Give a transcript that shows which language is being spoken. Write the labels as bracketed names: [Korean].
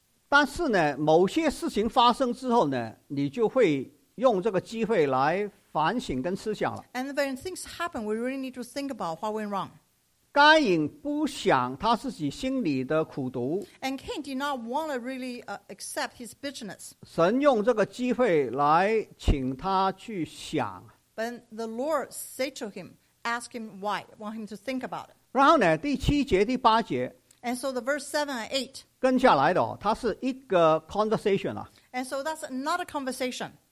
[Chinese] 但是呢, 某些事情发生之后呢, 你就会用这个机会来反省跟思想了。 [English] And when things happen, we really need to think about what went wrong. [Chinese] 该隐不想他自己心里的苦毒, [English] and Cain did not want to really accept his bitterness. [Chinese] 神用这个机会来请他去想, [English] but the Lord said to him, ask him why, want him to think about it. [Chinese] 然后呢, 第七节, 第八节, [English] and so the verse 7 and 8 [Chinese] 跟下来的哦, 它是一个 conversation 啊, [English] and so that's not a conversation.